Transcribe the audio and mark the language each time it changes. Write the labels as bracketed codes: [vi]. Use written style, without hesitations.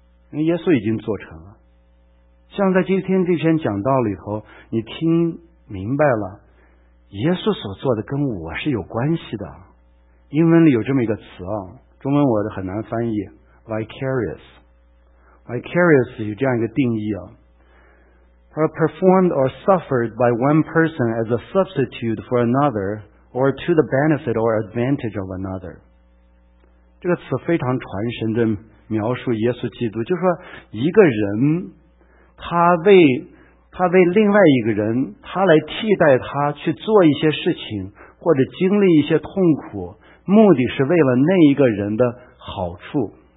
[zh] 因为耶稣已经做成了。像在今天这篇讲道里头，你听明白了，耶稣所做的跟我是有关系的。英文里有这么一个词啊，中文我很难翻译 ，vicarious。 [en] vicarious [zh] 有这样一个定义啊，它 [en] performed or suffered by one person as a substitute for another, or to the benefit or advantage of another。 [zh] 这个词非常传神的描述耶稣基督，就是说一个人他为他为另外一个人，他来替代他去做一些事情，或者经历一些痛苦，目的是为了那一个人的好处。